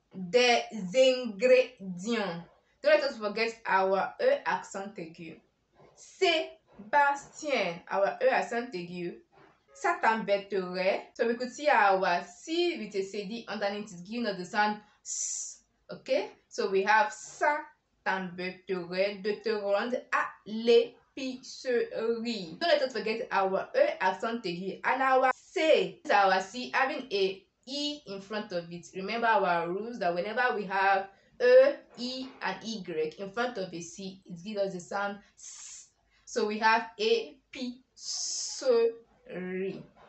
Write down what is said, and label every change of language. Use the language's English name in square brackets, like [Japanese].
[French] Des ingrédients. [English] Don't let us forget our E accent aigu. Sébastien, our E accent aigu. [French] Ça t'embêterait. [English] So we could see our C with a CD underneath is giving us the sound S. Okay? So we have [French] ça t'embêterait de te rendre à l'épicerie. [English] Don't let us forget our E accent aigu. And our C is our C having a E in front of it. Remember our rules that whenever we have E, E, and Y in front of a C, it gives us the sound S. So we have épicerie.